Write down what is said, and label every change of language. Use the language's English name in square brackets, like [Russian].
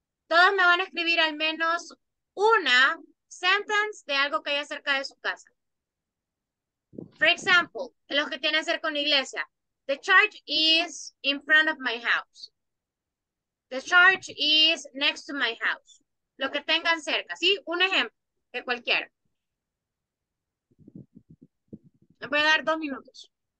[Spanish] Todos me van a escribir al menos una sentence de algo que haya cerca de su casa. [English] For example, [Spanish] de los que tienen que ver con iglesia. [English] The church is in front of my house. The church is next to my house. [Spanish] Lo que tengan cerca, ¿sí? Un ejemplo de cualquiera. Me voy a dar dos minutos.